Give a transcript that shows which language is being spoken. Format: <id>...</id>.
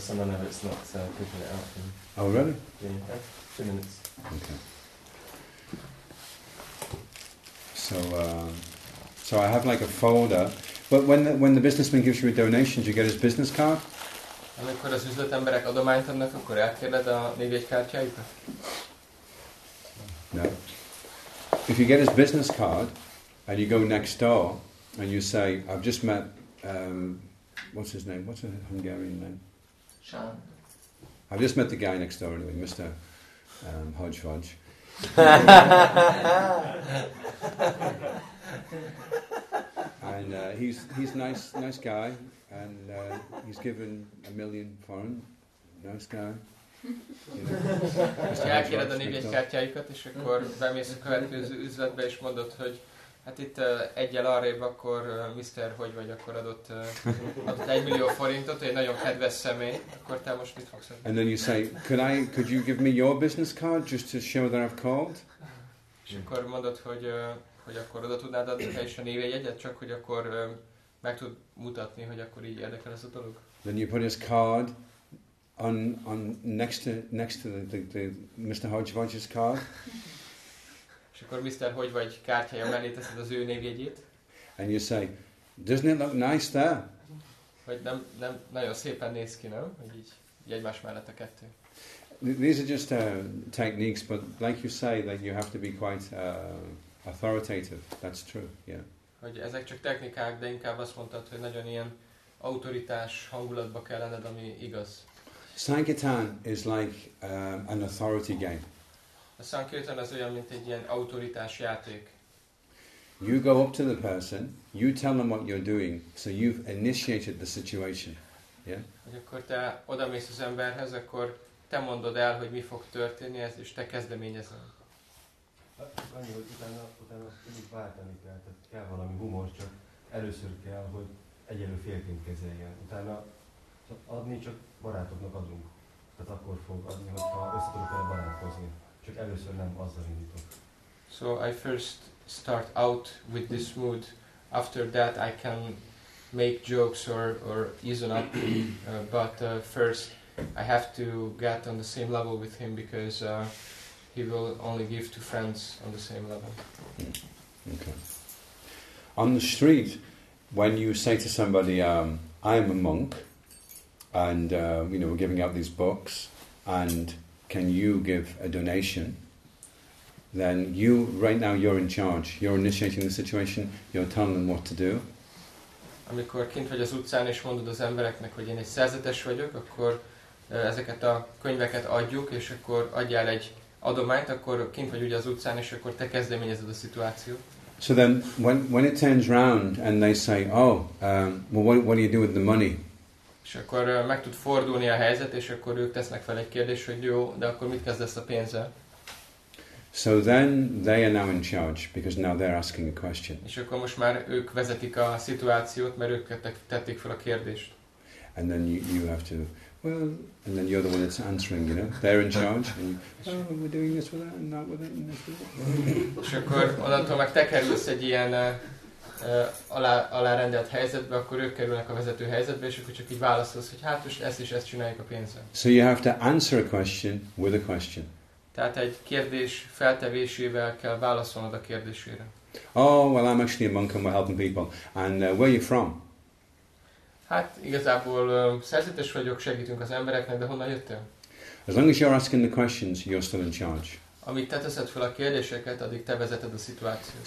<en>Some of it's not, so I'll put it out. Oh, really? Yeah, 2 minutes. Okay. So I have like a folder. But when the businessman gives you a donation, do you get his business card?</en> <hu>Amikor az üzletemberek adományt adnak, akkor elkérled a névjegy kártyáikat?</hu> <en>No. If you get his business card, and you go next door, and you say, I've just met, what's his name? What's a Hungarian name? Sean. I've just met the guy next door anyway, Mr. Hodge Fodge. And he's nice guy, and he's given £1 million. Nice guy.</en> <hu>Elkéred a névjegykártyáikat, és akkor bemész a következő üzletbe, és mondod, hogy hát itt egyel arrébb, akkor Mr. Hogy vagy, akkor adott 1 millió forintot, egy nagyon kedves személy, akkor te most mit fogsz adni?</hu> <en>And then you say, could you give me your business card, just to show that I've called?</en> <hu>És akkor mondod, hogy akkor oda tudnád adni te is a névjegyet, csak hogy akkor meg tud mutatni, hogy akkor így érdekel ez a dolog.</hu> <en>Then you put his card on next to the Mr. Hodge's card.</en> <hu>És akkor Mr. Hogy vagy kártyája mellé teszed az ő névjegyét.</hu> <en>And you say, doesn't it look nice there?</en> <hu>Vagy nem nagyon szépen néz ki, nem? Hogy így egymás mellett a kettő.</hu> <en>These are just techniques, but like you say, that you have to be quite authoritative. That's true, yeah.</en> <hu>Hogy ezek csak technikák, de inkább azt mondtad, hogy nagyon ilyen autoritás hangulatba kell lenned, ami igaz.</hu> <en>Sankirtan is like an authority game.</en> <hu>A Sankirtan az olyan, mint egy ilyen autoritás játék.</hu> <en>You go up to the person, you tell them what you're doing, so you've initiated the situation. Yeah?</en> <hu>Hogy akkor te odamész az emberhez, akkor te mondod el, hogy mi fog történni, ez, és te kezdeményezel. Annyi, hogy utána mindig váltani kell, tehát kell valami humor, csak először kell, hogy egyenlő félként kezeljen. Utána adni csak barátoknak adunk. Tehát akkor fog adni, hogyha összetudok el barátkozni. Csak először nem azzal indítok.</hu> <en>So I first start out with this mood. After that I can make jokes or ease up. But first I have to get on the same level with him because he will only give to friends on the same level. Okay. On the street, when you say to somebody, I am a monk, and you know, we're giving out these books, and can you give a donation, then you, right now, you're in charge. You're initiating the situation, you're telling them what to do.</en> <hu>Amikor kint vagy az utcán, és mondod az embereknek, hogy én egy szerzetes vagyok, akkor ezeket a könyveket adjuk, és akkor adjál egy adományt, akkor kint vagy ugye az utcán, és akkor te kezdeményezed a szituációt.</hu> <en>So then, when it turns round and they say, oh, well, what do you do with the money?</en> <hu>És akkor meg tud fordulni a helyzet, és akkor ők tesznek fel egy kérdést, hogy jó, de akkor mit kezdesz a pénzzel?</hu> <en>So then they are now in charge, because now they're asking a question.</en> <hu>És akkor most már ők vezetik a szituációt, mert ők tették fel a kérdést.</hu> <en>And then you have to, well, and then you're the one that's answering, you know, they're in charge. And you, oh, we're doing this with that and that with that.</en> <hu>És akkor onnantól meg te kerülsz egy ilyen alárendelt helyzetbe, akkor ők kerülnek a vezető helyzetbe, és akkor csak így válaszolsz, hogy hát most ezt is ezt csináljuk a pénzzel.</hu> <en>So you have to answer a question with a question.</en> <hu>Tehát egy kérdés feltevésével kell válaszolnod a kérdésére.</hu> <en>Oh, well, I'm actually a monk and we're helping people. And where are you from?</en> <hu>Hát igazából szerzetes vagyok, segítünk az embereknek, de honnan jöttél?</hu> <en>As long as you're asking the questions, you're still in charge.</en> <hu>Amíg te teszed fel a kérdéseket, addig te vezeted a szituációt.</hu>